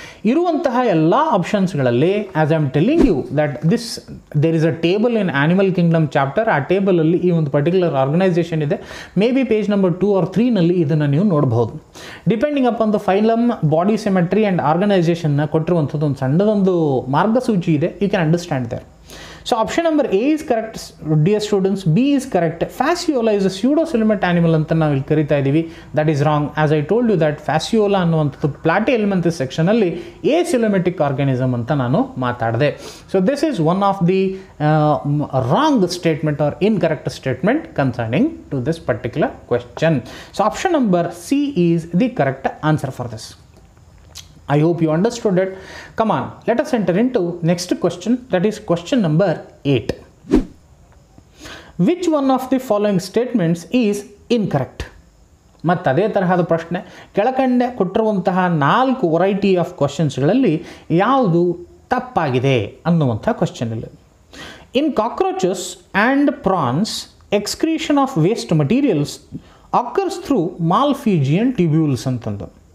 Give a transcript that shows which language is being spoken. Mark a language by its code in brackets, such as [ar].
[kn] ಇರುವಂತಹ ಎಲ್ಲ ಆಪ್ಷನ್ಸ್ಗಳಲ್ಲಿ, [en] as I am telling you that this there is a table in animal kingdom chapter, [kn] ಆ ಟೇಬಲಲ್ಲಿ ಈ ಒಂದು ಪರ್ಟಿಕ್ಯುಲರ್ ಆರ್ಗನೈಸೇಷನ್ ಇದೆ, [en] may be page number 2 or 3 [kn] ಇದನ್ನು ನೀವು ನೋಡಬಹುದು. [en] depending upon the phylum, body symmetry and ಆರ್ಗನೈಸೇಷನ್ನ [kn] ಕೊಟ್ಟಿರುವಂಥದ್ದು ಒಂದು ಸಣ್ಣದೊಂದು ಮಾರ್ಗಸೂಚಿ ಇದೆ, [en] You can understand there. So option number A is correct, dear students. B is correct. Fasciola is a pseudo-celibate animal. That is wrong. As I told you that fasciola and plate element is sectionally a celibatic organism. So this is one of the wrong statement or incorrect statement concerning to this particular question. So option number C is the correct answer for this. I hope you understood it. Come on, let us enter into next question, that is question number 8. Which one of the following statements is incorrect? [kn] ಮತ್ತು ಅದೇ ತರಹದ ಪ್ರಶ್ನೆ ಕೆಳಕಂಡೆ ಕೊಟ್ಟಿರುವಂತಹ ನಾಲ್ಕು variety of ಕ್ವಶನ್ಸ್ಗಳಲ್ಲಿ ಯಾವುದು ತಪ್ಪಾಗಿದೆ ಅನ್ನುವಂತಹ question ಇಲ್ಲಿ. [en] In cockroaches and prawns excretion of waste materials occurs through malpighian tubules ಅಂತಂದು.